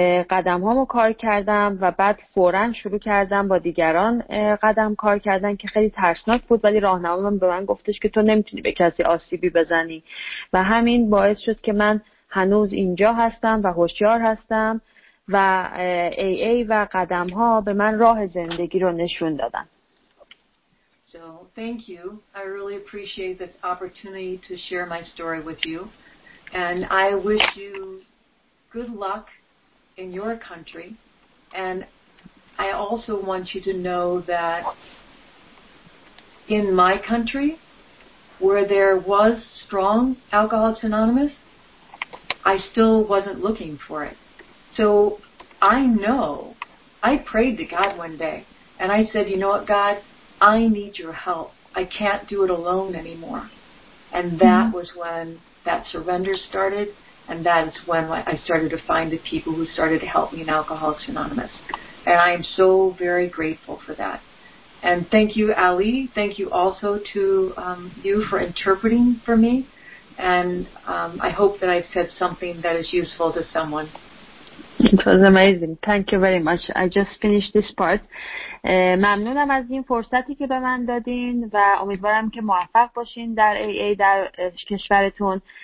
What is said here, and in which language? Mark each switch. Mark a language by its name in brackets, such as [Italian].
[Persian] قدم هامو کار کردم و بعد فوراً شروع کردم با دیگران قدم کار کردن که خیلی ترسناک بود، ولی راهنمای من به من گفتش که تو نمیتونی به کسی آسیبی بزنی و همین باعث شد که من هنوز اینجا هستم و هوشیار هستم و ای ای و قدم ها به من راه زندگی رو نشون دادن. [English] So, thank you. I really appreciate this opportunity to share my story with you. And I wish you good luck in your country. And I also want you to know that in my country, where there was strong Alcoholics Anonymous, I still wasn't looking for it. So, I know, I prayed to God one day, and I said, you know what, God? I need your help. I can't do it alone anymore. And that was when that surrender started, and that is when I started to find the people who started to help me in Alcoholics Anonymous. And I am so very grateful for that. And thank you, Ali. Thank you also to you for interpreting for me. And I hope that I've said something that is useful to someone. It was amazing. Thank you very much. I just finished this part. [Persian] ممنونم از این فرصتی که به من دادین و امیدوارم که موفق باشین در AA در کشورتون.